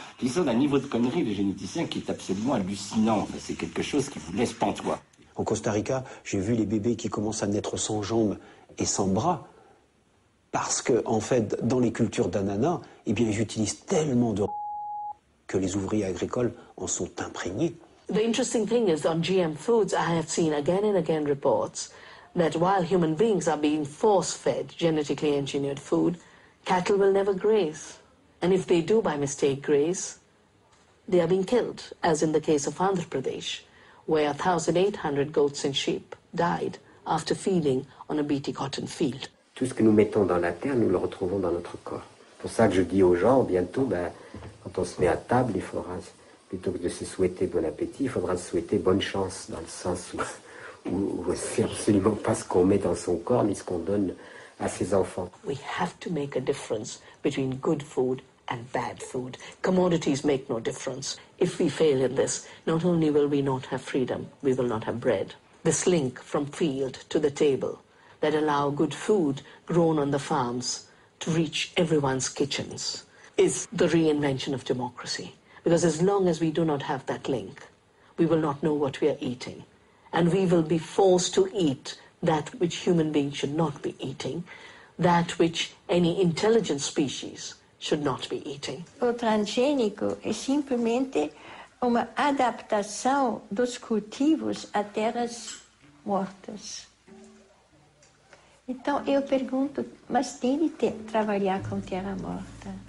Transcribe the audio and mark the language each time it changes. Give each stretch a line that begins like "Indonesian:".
French: Ils sont d'un niveau de connerie, les généticiens, qui est absolument hallucinant. C'est quelque chose qui vous laisse pantois. Au Costa Rica, j'ai vu les bébés qui commencent à naître sans jambes et sans bras. Parce que, en fait, dans les cultures d'ananas, eh bien, ils utilisent tellement de que les ouvriers agricoles en sont imprégnés.
English: The interesting thing is on GM foods, I have seen again and again reports that while human beings are being force-fed genetically engineered food, cattle will never graze. And if they do by mistake graze, they are being killed, as in the case of Andhra Pradesh, where 1,800 goats and sheep died after feeding on a BT cotton field. Tout ce que nous mettons dans la terre, nous le retrouvons dans notre corps. C'est pour ça que je dis aux gens, bientôt, ben, quand on se met à table, il faudra, plutôt que de se souhaiter bon appétit, il faudra se souhaiter bonne chance, dans le sens où c'est absolument pas ce qu'on met dans son corps, ni ce qu'on donne à ses enfants. We have to make a difference between good food and bad food. Commodities make no difference. If we fail in this, not only will we not have freedom, we will not have bread. This link from field to the table that allow good food grown on the farms to reach everyone's kitchens is the reinvention of democracy. Because as long as we do not have that link, we will not know what we are eating. And we will be forced to eat that which human beings should not be eating, that which any intelligent species should not be eating.
Portuguese: O transgênico é simplesmente uma adaptação dos cultivos a terras mortas. Então, eu pergunto, mas tem de ter, trabalhar com terra morta?